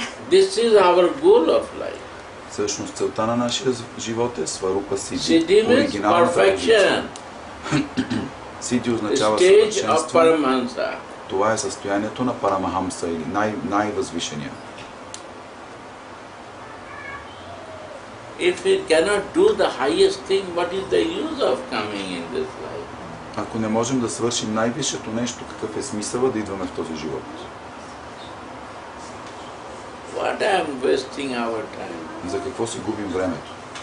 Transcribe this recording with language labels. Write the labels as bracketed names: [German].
[English] This is our goal of life. [Bulgarian] Всъщност целта на нашия живот е сварупа сиди, сиди оригиналната [English] perfection. [Bulgarian] Позиция. Сиди означава съвършенство. Това е състоянието на Парамахамса или най-възвишения. [English] If it cannot do the highest thing, what is the use of coming in this life? [Bulgarian] Ако не можем да свършим най-висшето нещо, какъв е смисълът да идваме в този живот? [English] What am wasting our time? [Bulgarian] За какво си губим времето?